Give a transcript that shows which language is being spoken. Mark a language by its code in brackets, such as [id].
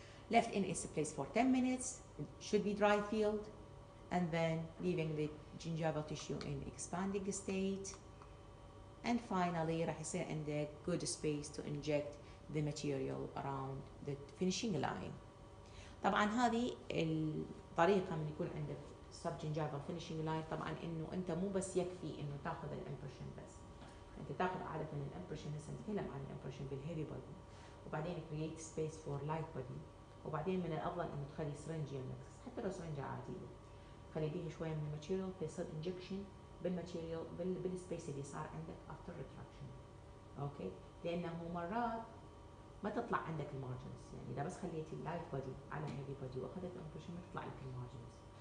[en] Left in its place for 10 minutes, it should be dry filled, and then leaving the gingival tissue in expanding state. And finally, [ar] راح يصير عندك [en] good space to inject the material around the finishing line. [ar] طبعا هذه الطريقة من يكون عندك [en] sub gingival finishing line. [ar] طبعا انه انت مو بس يكفي انه تاخذ الامبريشن بس. انت تاخذ عادة الامبريشن بس نتكلم عن الامبريشن بالهيفي بودي. وبعدين [en] create space for light body. [ar] وبعدين من الافضل انه تخلي سرنج يمكس. حتى لو سرنجة عادية. خلي بيها شوية من الماتيريال في sub injection. بالماتيريال بالسبيس اللي صار عندك [en] after retraction. [ar] اوكي؟ لانه مرات ما تطلع عندك المارجنز. يعني اذا بس خليت اللايت بودي على هيفي بودي واخذت الامبريشن ما تطلع لك المارجنز.